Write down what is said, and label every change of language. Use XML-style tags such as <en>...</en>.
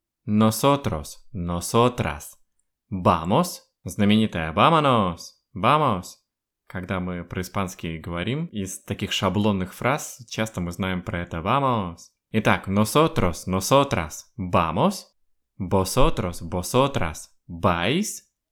<es>Nosotros, nosotras vamos.</es> <ru>Знаменитая</ru> <es>vámonos, vamos.</es> <ru>Когда мы по-испански говорим, из таких шаблонных фраз часто мы знаем про это vamos. Итак,</ru> <es>nosotros, nosotras vamos. Vosotros, vosotras vais.</es>